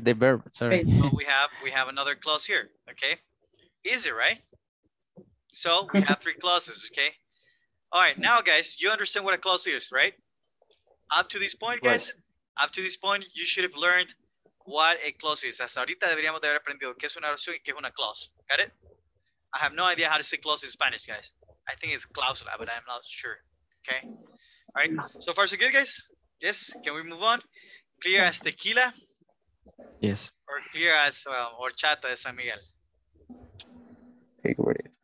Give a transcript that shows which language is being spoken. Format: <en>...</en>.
<en>The verb, sorry. So we have another clause here. Okay. Easy, right? So we have three clauses, okay? All right, now guys, you understand what a clause is, right? Up to this point, guys, right. Up to this point, you should have learned what a clause is.</en> <es>Hasta ahorita deberíamos de haber aprendido qué es una oración y qué es una clause.</es> <en>Got it? I have no idea how to say clause in Spanish, guys. I think it's cláusula, but I'm not sure, okay? All right, so far so good, guys? Yes, can we move on? Clear as tequila? Yes. Or clear as horchata de San Miguel? Take away.</en>